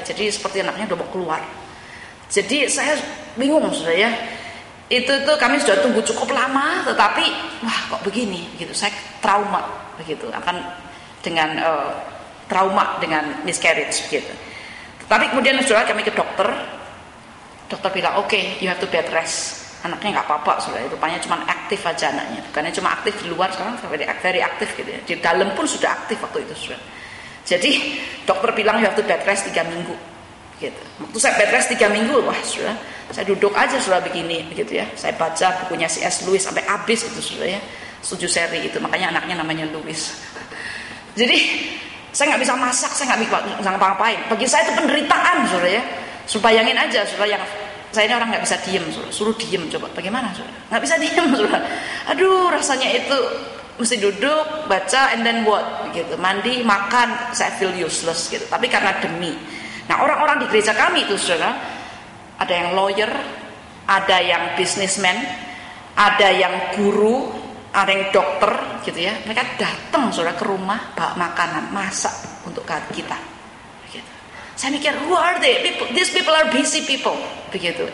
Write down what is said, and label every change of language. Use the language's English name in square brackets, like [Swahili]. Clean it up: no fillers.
[Indonesian] Jadi seperti anaknya udah mau keluar. Jadi saya bingung, saudara ya. Itu tuh kami sudah tunggu cukup lama, tetapi wah kok begini, gitu. Saya trauma, begitu. Akan dengan trauma dengan miscarriage, gitu. Tetapi kemudian saudara kami ke dokter. Dokter bilang, [English] okay, you have to bed rest. [Indonesian] Anaknya nggak apa-apa, sudah. Rupanya cuma aktif aja anaknya. Bukannya cuma aktif di luar, sekarang very aktif gitu ya. Di dalam pun sudah aktif waktu itu, sudah. Jadi dokter bilang waktu bed rest 3 minggu. Gitu. Waktu saya bed rest 3 minggu, wah sudah. Saya duduk aja sudah begini, gitu ya. Saya baca bukunya C.S. Lewis sampai habis itu sudah ya. 7 seri itu, makanya anaknya namanya Lewis. Jadi saya nggak bisa masak, saya nggak bisa ngapa-ngapain. Bagi saya itu penderitaan, sudah ya. Suruh bayangin aja, sudah yang saya ini orang nggak bisa diem, suruh diem coba, bagaimana suruh, nggak bisa diem suruh, aduh rasanya itu mesti duduk baca [English] and then what [Indonesian] gitu, mandi makan, saya [English] feel useless [Indonesian] gitu. Tapi karena demi, nah orang-orang di gereja kami itu saudara, ada yang lawyer, ada yang businessman, ada yang guru, ada yang dokter gitu ya, mereka datang saudara ke rumah bawa makanan masak untuk kita. Saya mikir, [English] who are they? People, these people are busy people, begitu.